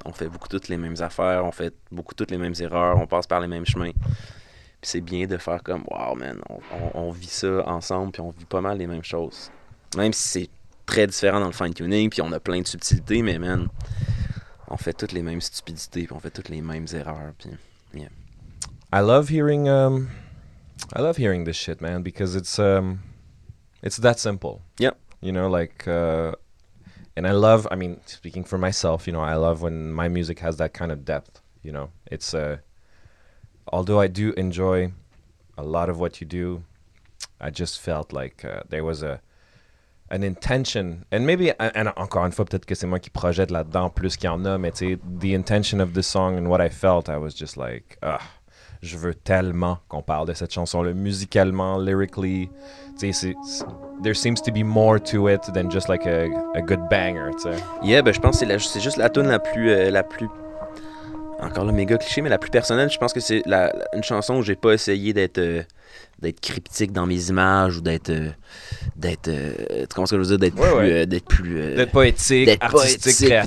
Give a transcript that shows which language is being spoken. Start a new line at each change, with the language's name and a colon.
French: On fait beaucoup toutes les mêmes affaires. On fait beaucoup toutes les mêmes erreurs. On passe par les mêmes chemins. Puis c'est bien de faire comme, wow, man. On vit ça ensemble. Puis on vit pas mal les mêmes choses. Même si c'est très différent dans le fine tuning. Puis on a plein de subtilités, mais man, on fait toutes les mêmes stupidités. Puis on fait toutes les mêmes erreurs. Puis yeah.
English: I love hearing this shit, man, because it's that simple. Yeah. You know, like, and I love, I mean, speaking for myself, you know, I love when my music has that kind of depth, you know, it's, although I do enjoy a lot of what you do, I just felt like there was an intention, and maybe, and
French: encore une fois, peut-être que c'est moi qui projette là-dedans plus qu'il y en a, mais tu sais,
English: the intention of the song and what I felt, I was just like, ugh.
French: Je veux tellement qu'on parle de cette chanson-là, musicalement, lyrically.
English: There seems to be more to it than just like a good banger. T'sais.
French: Yeah, ben je pense que c'est juste la tune la plus encore là, méga cliché, mais la plus personnelle, je pense que c'est la, la, une chanson où j'ai pas essayé d'être, d'être cryptique dans mes images ou d'être... tu comprends ce que je veux dire? D'être plus... d'être poétique, d'être artistique, poétique, créatif.